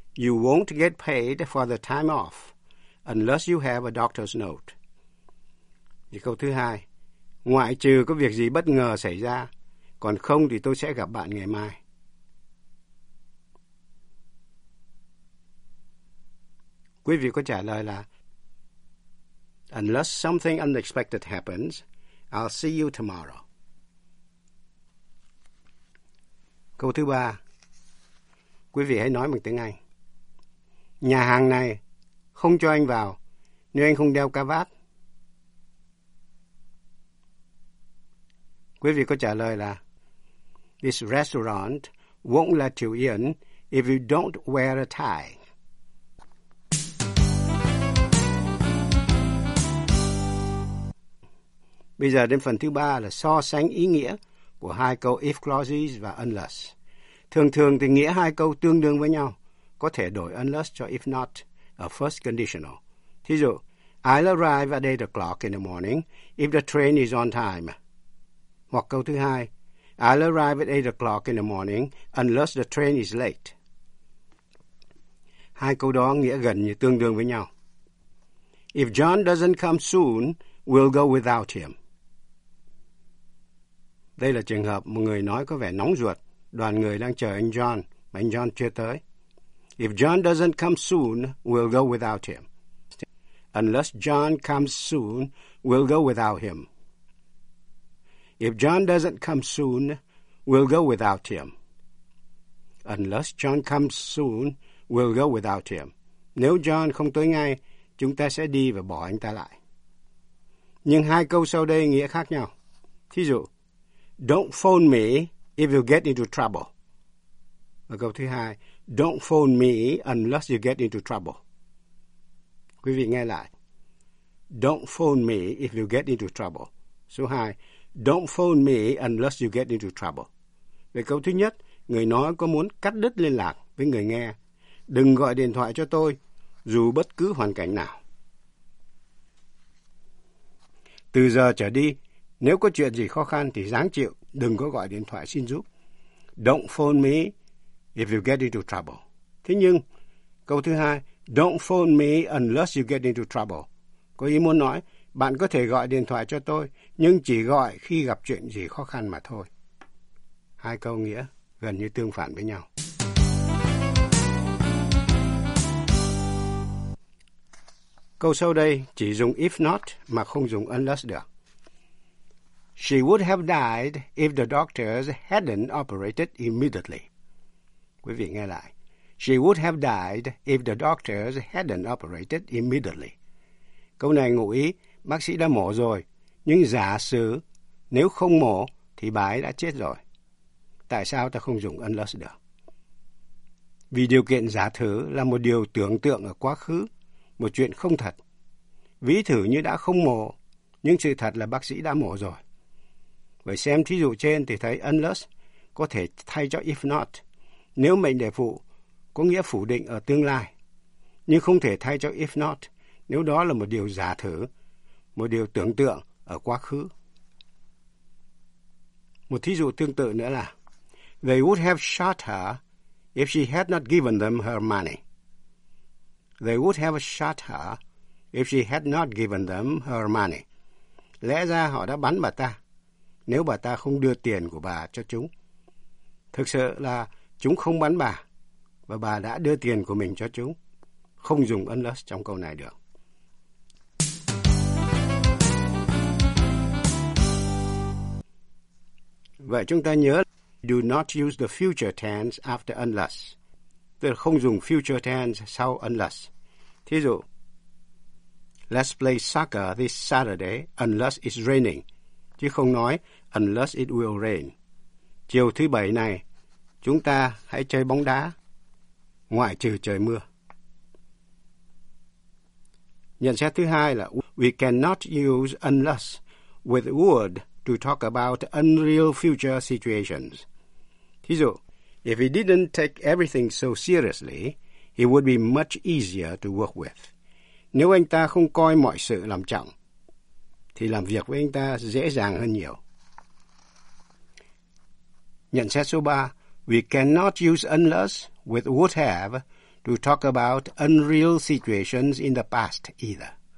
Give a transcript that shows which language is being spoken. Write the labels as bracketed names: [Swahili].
[English] You won't get paid for the time off unless you have a doctor's note. [Vietnamese] Và câu thứ hai. Ngoại trừ có việc gì bất ngờ xảy ra, còn không thì tôi sẽ gặp bạn ngày mai. Quý vị có trả lời là [English] unless something unexpected happens, I'll see you tomorrow. [Vietnamese] Câu thứ ba. quý vị hãy nói bằng tiếng Anh. Nhà hàng này không cho anh vào nếu anh không đeo cà vạt. Quý vị có trả lời là [English] This restaurant won't let you in if you don't wear a tie. [Vietnamese] Bây giờ đến phần thứ ba là so sánh ý nghĩa của hai câu if clauses và unless. Thường thường thì nghĩa hai câu tương đương với nhau, có thể đổi unless cho if not, a first conditional. Thí dụ, [English] I'll arrive at 8 o'clock in the morning if the train is on time. [Vietnamese] Hoặc câu thứ hai, [English] I'll arrive at 8 o'clock in the morning unless the train is late. [Vietnamese] Hai câu đó nghĩa gần như tương đương với nhau. [English] If John doesn't come soon, we'll go without him. [Vietnamese] Đây là trường hợp một người nói có vẻ nóng ruột, đoàn người đang chờ anh John, mà anh John chưa tới. [English] If John doesn't come soon, we'll go without him. Unless John comes soon, we'll go without him. If John doesn't come soon, we'll go without him. Unless John comes soon, we'll go without him. [Vietnamese] Nếu John không tới ngay, chúng ta sẽ đi và bỏ anh ta lại. Nhưng hai câu sau đây nghĩa khác nhau. Thí dụ, [English] don't phone me if you get into trouble. [Vietnamese] Và câu thứ hai, [English] don't phone me unless you get into trouble. [Vietnamese] Quý vị nghe lại. [English] Don't phone me if you get into trouble. [Vietnamese] Số hai, [English] don't phone me unless you get into trouble. [Vietnamese] Về câu thứ nhất, người nói có muốn cắt đứt liên lạc với người nghe. Đừng gọi điện thoại cho tôi, dù bất cứ hoàn cảnh nào. Từ giờ trở đi, nếu có chuyện gì khó khăn thì ráng chịu, đừng có gọi điện thoại xin giúp. [English] Don't phone me if you get into trouble. [Vietnamese] Thế nhưng, câu thứ hai, [English] don't phone me unless you get into trouble. [Vietnamese] Có ý muốn nói, bạn có thể gọi điện thoại cho tôi, nhưng chỉ gọi khi gặp chuyện gì khó khăn mà thôi. Hai câu nghĩa gần như tương phản với nhau. Câu sau đây chỉ dùng if not mà không dùng unless được. [English] She would have died if the doctors hadn't operated immediately. [Vietnamese] Quý vị nghe lại. [English] She would have died if the doctors hadn't operated immediately. [Vietnamese] Câu này ngụ ý bác sĩ đã mổ rồi, nhưng giả sử nếu không mổ thì bà ấy đã chết rồi. Tại sao ta không dùng unless được? Vì điều kiện giả thử là một điều tưởng tượng ở quá khứ, một chuyện không thật. Ví thử như đã không mổ, nhưng sự thật là bác sĩ đã mổ rồi. Vậy xem thí dụ trên thì thấy unless có thể thay cho if not, nếu mệnh đề phụ có nghĩa phủ định ở tương lai, nhưng không thể thay cho if not nếu đó là một điều giả thử, một điều tưởng tượng ở quá khứ. Một thí dụ tương tự nữa là [English] they would have shot her if she had not given them her money. They would have shot her if she had not given them her money. [Vietnamese] Lẽ ra họ đã bắn bà ta nếu bà ta không đưa tiền của bà cho chúng. Thực sự là chúng không bắn bà và bà đã đưa tiền của mình cho chúng. Không dùng unless trong câu này được. Vậy chúng ta nhớ [English] do not use the future tense after unless. [Vietnamese] Tức là không dùng future tense sau unless. Thí dụ, [English] let's play soccer this Saturday unless it's raining. [Vietnamese] Chứ không nói [English] unless it will rain. [Vietnamese] Chiều thứ bảy này, chúng ta hãy chơi bóng đá, ngoại trừ trời mưa. Nhận xét thứ hai là [English] we cannot use unless with would to talk about unreal future situations. [Vietnamese] Thí dụ, [English] if he didn't take everything so seriously, it would be much easier to work with. [Vietnamese] Nếu anh ta không coi mọi sự làm trọng, thì làm việc với anh ta dễ dàng hơn nhiều. Nhận xét số 3, [English] we cannot use unless with would have to talk about unreal situations in the past either.